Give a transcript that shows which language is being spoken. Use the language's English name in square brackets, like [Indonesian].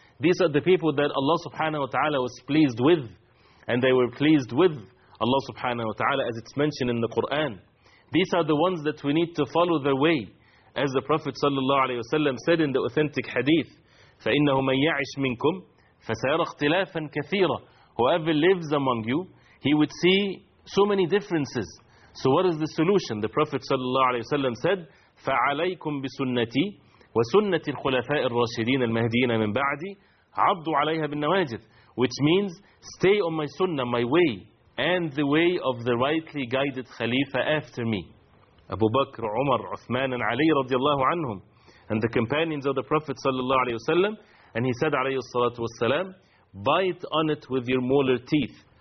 [English] These are the people that Allah subhanahu wa ta'ala was pleased with, and they were pleased with Allah subhanahu wa ta'ala, as it's mentioned in the Quran. These are the ones that we need to follow their way, as the Prophet sallallahu alayhi wa sallam said in the authentic hadith, [Arabic] فَإِنَّهُ مَنْ يَعِشْ مِنْكُمْ فَسَيَرَ اخْتِلَافًا كَثِيرًا. [English] Whoever lives among you, he would see so many differences. So what is the solution? The Prophet sallallahu alayhi wa sallam said, [Arabic] فَعَلَيْكُمْ بِسُنَّتِي وَسُنَّةِ الْخُلَفَاءِ الرَّاشِدِينَ الْمَهْدِينَ مِنْ بَعْدِي عَضُّوا عَلَيْهَا بِالنَّوَاجِذِ. [English] Which means, stay on my sunnah, my way, and the way of the rightly guided Khalifa after me. Abu Bakr, Umar, Uthman, and Ali radiallahu anhum, and the companions of the Prophet sallallahu alayhi wa sallam, and he said alayhi salatu wasalam, bite on it with your molar teeth.